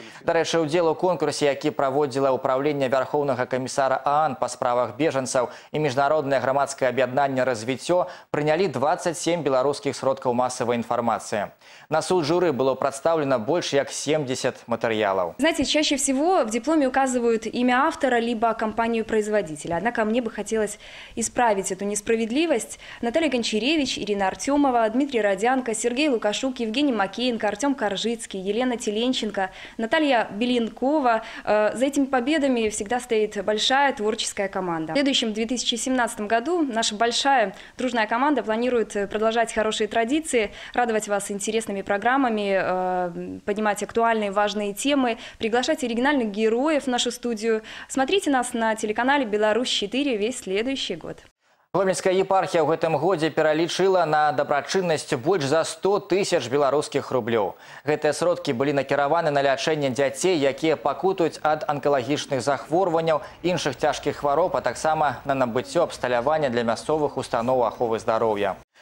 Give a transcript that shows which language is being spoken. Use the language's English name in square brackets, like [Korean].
[Belarusian] Дарэчы, удзел у конкурсе, які праводзіла ўправленне Вярхоўнага камісара ААН па справах бежанцаў і Міжнароднае грамадскае аб'яднанне «Развіццё», прынялі 27 беларускіх сродкаў масавай інфармацыі. На суд журы было прадстаўлена больш як 70 матэрыялаў. [Russian] Знаеце, чаще всего в дипломе указывают имя автора либо компанию производителя. Однако мне бы хотелось исправить эту несправедливость. Наталья Гончаревич, Ирина Артемова, Дмитрий Родянко, Сергей Лукашук, Евгений Макеенко, Артем Коржицкий, Елена Теленченко, Наталья Белинкова. За этими победами всегда стоит большая творческая команда. В следующем 2017 году наша большая дружная команда планирует продолжать хорошие традиции, радовать вас интересными программами, поднимать актуальные важные темы, приглашать оригинальных героев в нашу студию. Смотрите нас на телеканале «Беларусь-4» весь следующий год. [Belarusian] Гомельская епархія ў гэтым годзе пералічыла на дабрачыннасць больш за 100 тысяч беларускіх рублёў. Гэтыя сродкі былі накіраваны на лячэнне дзяцей, якія пакутуюць ад анкалагічных захворванняў, іншых цяжкіх хвароб, а таксама на набыццё абсталявання для мясцовых установ аховы здароўя.